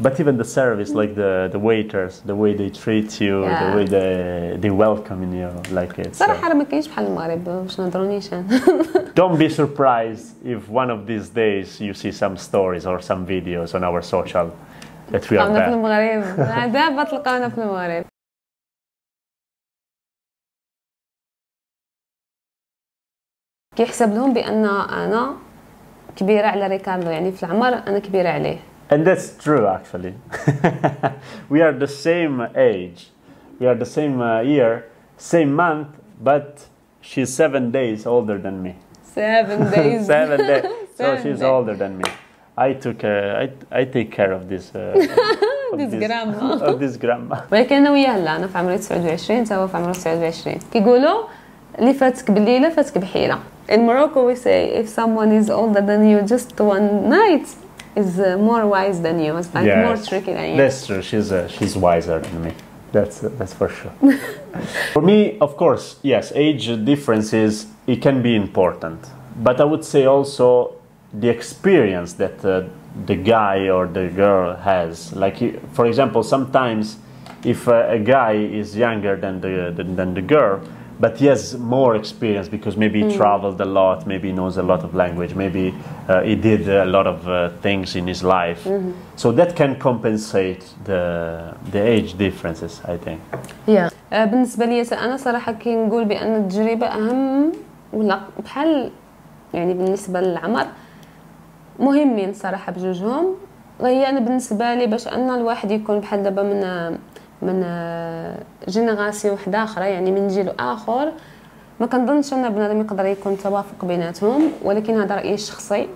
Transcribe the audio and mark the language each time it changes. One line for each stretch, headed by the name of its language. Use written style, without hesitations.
English: But even the service, like the waiters, the way they treat you, yeah. The way they welcome you, like it.
Arabic: صراحة ما كاينش بحال المغرب باش نهضرونيش.
English: Don't be surprised if one of these days you see some stories or some videos on our social that we are back.
Arabic: تلقاونا في المغرب. دابا تلقاونا في المغرب. كيحسب لهم بأن أنا كبيرة على ريكاردو يعني في العمر أنا كبيرة عليه.
English: And that's true actually. We are the same age. We are the same year, same month, but she's 7 days older than me. 7 days. 7 days. So she's older than me. I took I take care of this ديزغراما
Arabic: ولكن انا وياه لا انا في عمري 29 حتى هو في عمره 29 كيقولوا اللي فاتك بالليله فاتك بحيله.
English: In Morocco we say if someone is older than you just one night is more wise than you. It's like yes. more tricky than you. That's true. She's wiser than me. That's for sure. For me, of course, yes, age differences, it can be important. But I would say also the experience that the guy or the girl has. Like, for example, sometimes if a guy is younger than the girl, but he has more experience because maybe he traveled a lot, maybe he knows a lot of language, maybe he did a lot of things in his life. Mm-hmm. So that can compensate the age differences, I think. Yeah.
Arabic: بالنسبة لي أنا صراحة كي نقول بأن التجربة أهم ولا بحال يعني بالنسبة للعمر مهمين صراحة بجوجهم. غير أنا بالنسبة لي باش أن الواحد يكون بحال دابا من جينيراسيون واحدة أخرى يعني من جيل آخر ما كنظنش أن بنادم يقدر يكون توافق بيناتهم، ولكن هذا رأيي الشخصي.